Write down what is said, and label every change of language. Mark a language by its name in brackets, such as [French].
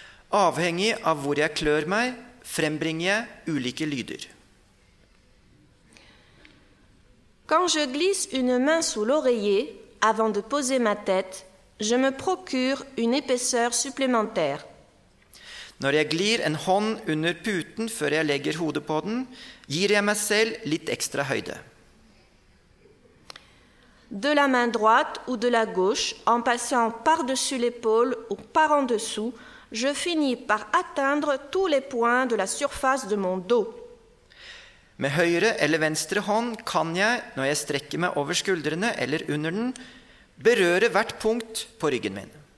[Norwegian] Avhengig av hvor jeg klør meg, frembringer jeg ulike lyder. [French] Quand je glisse une main sous l'oreiller avant de poser ma tête, je me procure une épaisseur supplémentaire. [Norwegian] Når jeg glir en hånd under puten før jeg legger hodet på den, gir jeg meg selv litt ekstra høyde. [French] De la main droite ou de la gauche, en passant par-dessus l'épaule ou par en dessous, je finis par atteindre tous les points de la surface de mon dos. [Norwegian] Med høyre eller venstre hånd kan jeg, når jeg strekker meg over skuldrene eller under den, berøre hvert punkt på ryggen min.